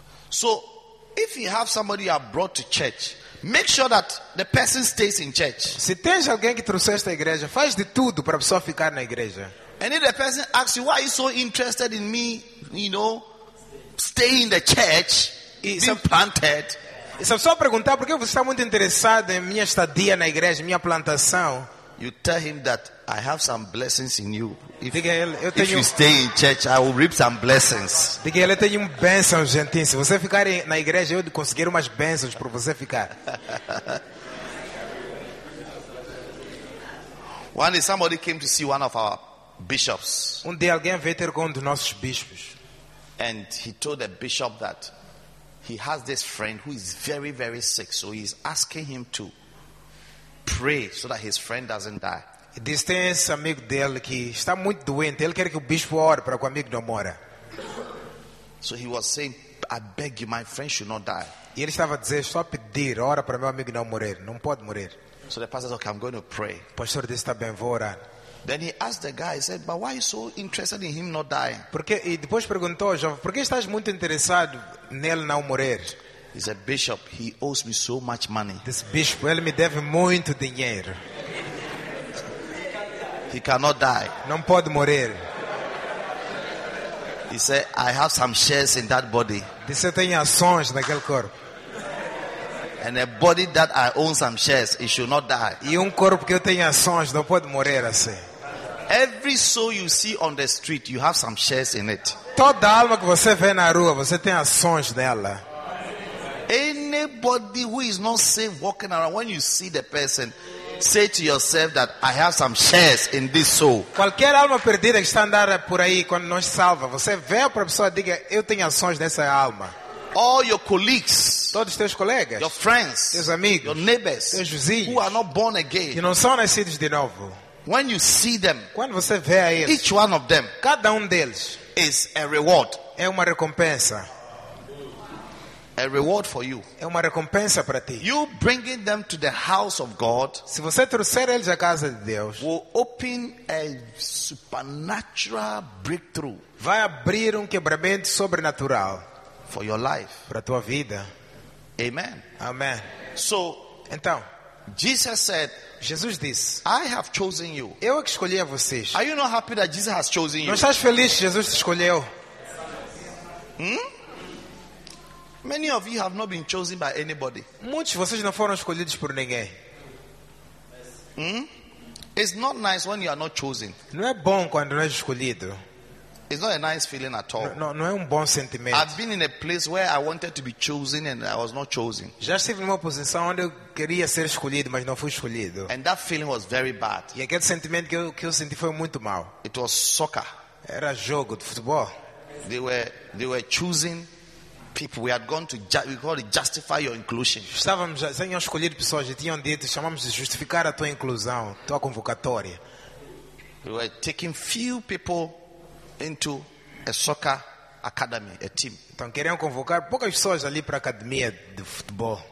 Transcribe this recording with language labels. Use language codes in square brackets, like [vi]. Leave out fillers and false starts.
[en] So, if you have somebody you have brought to church, make sure that the person stays in church. [pt] Se tens alguém que trouxeste à igreja, faz de tudo para a pessoa ficar na igreja. [en] And if the person asks you, why are you so interested in me, you know, stay in the church, being planted. [pt] E se a pessoa perguntar, por que você está muito interessado em minha estadia na igreja, minha plantação? [en] You tell him that I have some blessings in you. If you stay in church, I will reap some blessings. [pt] Diga ele, eu tenho bênçãos, gente. Se você ficar na igreja, eu conseguir umas bênçãos para você ficar. [en] One day somebody came to see one of our bishops. [pt] Dia alguém veio ter com um dos nossos bispos. [en] And he told the bishop that he has this friend who is very, very sick, so he's asking him to pray so that his friend doesn't die. [pt] E disse, tem esse amigo dele que está muito doente. Ele quer que o bispo ore para que o amigo não morra. [en] So he was saying, I beg you, my friend should not die. [pt] E ele estava a dizer, só pedir, ora para meu amigo não morrer, não pode morrer. [en] So the pastor said, okay, I'm going to pray. [pt] O pastor disse, está bem, vou orar. [en] Then he asked the guy, he said, but why are you so interested in him not dying? [pt] Porque, e depois perguntou ao jovem, por que estás muito interessado nele não morrer? [en] He said, Bishop, he owes me so much money. This bishop, [pt] ele me deve muito dinheiro. [en] He cannot die. [pt] Não pode morrer. [en] He said, I have some shares in that body. [pt] Disse, tenho ações naquele corpo. [en] And a body that I own some shares, it should not die. [pt] E corpo que eu tenho ações não pode morrer assim. [en] Every soul you see on the street, you have some shares in it. [pt] Toda alma que você vê na rua, você tem ações nela. [en] Anybody who is not safe walking around, when you see the person, say to yourself that I have some shares in this soul. [pt] Qualquer alma perdida que está andando por aí quando não salva, você vê a pessoa e diga, eu tenho ações nessa alma. [en] All your colleagues, [pt] todos teus colegas, [en] your friends, [pt] teus amigos, [en] your neighbors, [pt] teus vizinhos, [en] who are not born again, [pt] que não são nascidos de novo. [en] When you see them, [pt] quando você vê a eles, [en] each one of them, [pt] cada deles, [en] is a reward, [pt] é uma recompensa. [en] A reward for you. [pt] É uma recompensa para ti. [en] You bringing them to the house of God. [pt] Se você trouxer eles à casa de Deus, [en] will open a supernatural breakthrough. [pt] Vai abrir quebramento sobrenatural [en] for your life. [pt] Para tua vida. [en] Amen. [pt] Amen. [en] So, [pt] então, [en] Jesus said, [pt] Jesus disse, [en] I have chosen you. [pt] Eu que escolhi a vocês. [en] Are you not happy that Jesus has chosen you? [pt] Não estás feliz que Jesus te escolheu? [en] Many of you have not been chosen by anybody. [pt] Muitos de vocês não foram escolhidos por ninguém. [en] It's not nice when you are not chosen. [pt] Não é bom quando não é escolhido. [en] It's not a nice feeling at all. [pt] Não, não é bom sentimento. [en] I've been in a place where I wanted to be chosen and I was not chosen. [pt] Já estive numa posição onde eu queria ser escolhido, mas não fui escolhido. [en] And that feeling was very bad. [pt] E aquele sentimento que eu senti foi muito mal. [en] It was soccer. [pt] Era jogo de futebol. [en] They were choosing people. We had gone to we call it justify your inclusion. [pt] Estávamos já tinham escolhido pessoas, já tinham dito, chamamos de justificar a tua inclusão, tua convocatória. [en] We were taking few people into a soccer academy, a team. [pt] Então queriam convocar poucas pessoas ali para a academia de futebol.